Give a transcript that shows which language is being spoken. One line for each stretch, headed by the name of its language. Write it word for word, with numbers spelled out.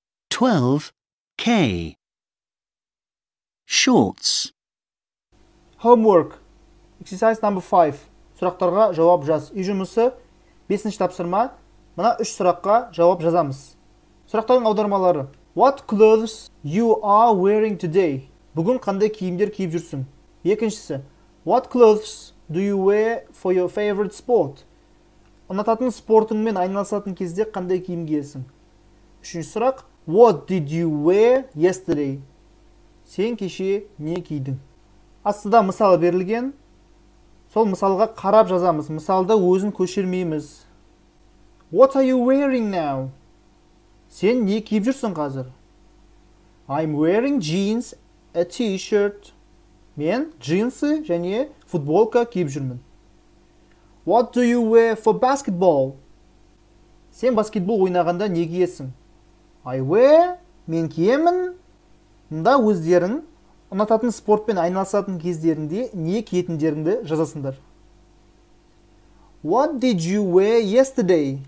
English: Twelve. K. Shorts. Homework. Exercise number five.
Kazakh: Сұрақтарға жауап жаз. Үй жұмысы бесінші тапсырма. Мына үш сұраққа жауап жазамыз. Сұрақтардың аудармалары.
English: What clothes you are wearing today?
Kazakh: Бүгін қандай киімдер киіп жүрсің? Екіншісі.
English: What clothes do you wear for your favorite sport?
Kazakh: Ұнататын спортыңмен айналысатын кезде қандай киім киесің? Үшінші сұрақ.
English: What did you wear yesterday?
Kazakh: Сен кеше не кидің? Астыда мысал берілген. Сол мысалға қарап жазамыз. Мысалда өзін көшірмейміз.
English: What are you wearing now?
Kazakh: Сен не киіп жүрсің қазір?
English: I'm wearing jeans, a t-shirt.
Kazakh: Мен джинсы және футболка киіп жүрмін.
English: What do you wear for basketball?
Kazakh: Сен баскетбол ойнағанда не киесің? Айве, мен киемін. Мында өздерің ұнататын спортпен айналысатын кездерінде не киетіндеріңді жазасыңдар.
English: What did you wear yesterday?